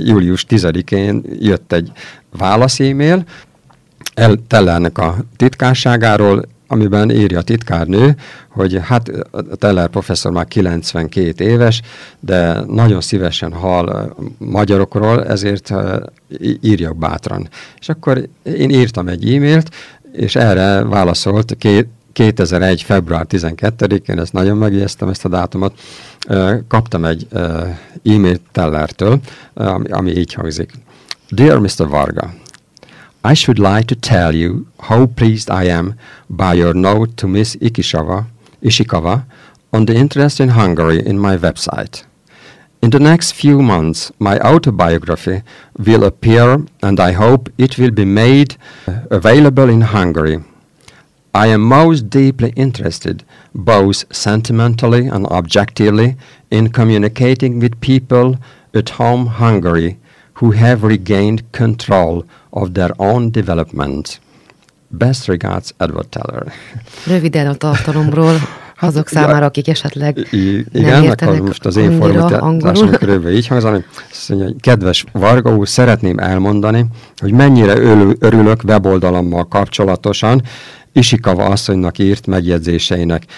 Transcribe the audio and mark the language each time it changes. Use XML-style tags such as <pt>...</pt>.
<hu>július 10-én jött egy válasz e-mail Tellernek a titkárságáról, amiben írja a titkárnő, hogy hát Teller professzor már 92 éves, de nagyon szívesen hall magyarokról, ezért írjak bátran. És akkor én írtam egy e-mailt, és erre válaszolt 2001. február 12-én, ezt nagyon megijesztem, ezt a dátumot, kaptam egy e-mailt Tellertől, ami így hangzik.</hu> <en>Dear Mr. Varga, I should like to tell you how pleased I am by your note to Miss Ishikawa on the interest in Hungary in my website. In the next few months, my autobiography will appear and I hope it will be made available in Hungary. I am most deeply interested, both sentimentally and objectively, in communicating with people at home Hungary who have regained control of their own development. Best regards, Edward Teller.</en> <hu>Röviden a tartalomról. Azok számára, akik esetleg igen, nem értenek most az én formátásom körülbelül így hangzani. Kedves Varga úr, szeretném elmondani, hogy mennyire örülök weboldalammal kapcsolatosan Isikava asszonynak írt megjegyzéseinek.</hu>